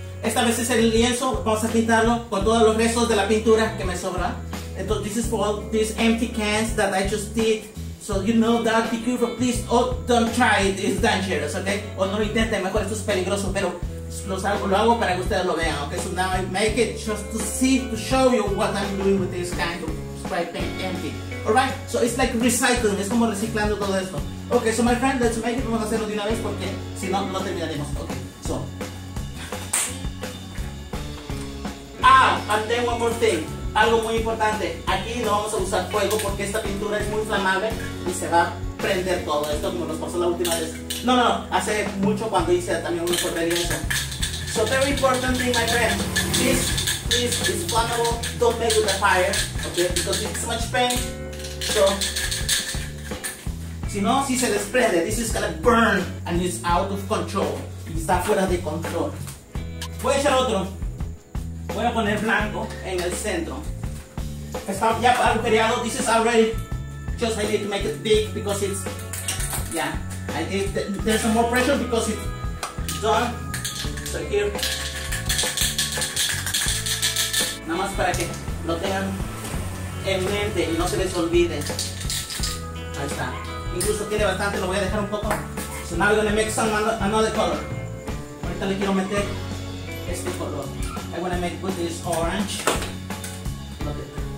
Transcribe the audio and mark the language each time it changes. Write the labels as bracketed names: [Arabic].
[Spanish] Esta vez es el lienzo, vamos a pintarlo con todos los restos de la pintura que me sobra. Entonces, [English] this is for all these empty cans that I just did. So you know that, be careful, please, oh, don't try it, it's dangerous, okay? [Spanish] O no lo intenten, mejor esto es peligroso, pero lo hago para que ustedes lo vean, okay? [English] So now I make it just to see, to show you what I'm doing with this kind of spray paint empty. Alright, so it's like recycling, [Spanish] es como reciclando todo esto. [English] Okay, so my friend, let's make it, [Spanish] vamos a hacerlo de una vez porque si no, no terminaremos, okay? So. [English] Ah, and then one more thing. [Spanish] Algo muy importante, aquí no vamos a usar fuego porque esta pintura es muy inflamable y se va a prender todo esto como nos pasó la última vez. No, no, hace mucho cuando hice también una correría eso. [English] So very important thing, my friend, this is flammable, don't play with the fire, okay, because it's much paint. [Spanish] So, si no, si se desprende, [English] this is gonna burn and it's out of control, [Spanish] y está fuera de control. Voy a echar otro. Voy a poner blanco en el centro. Está ya agujereado. [English] This is already just I need to make it big because it's yeah. I need there's some more pressure because it's done. So here, [Spanish] nada más para que lo tengan en mente y no se les olvide. Ahí está. Incluso tiene bastante. Lo voy a dejar un poco. [English] So now we're gonna make some another color. [Spanish] Ahorita le quiero meter este color. [English] I want to make with this orange. Love it.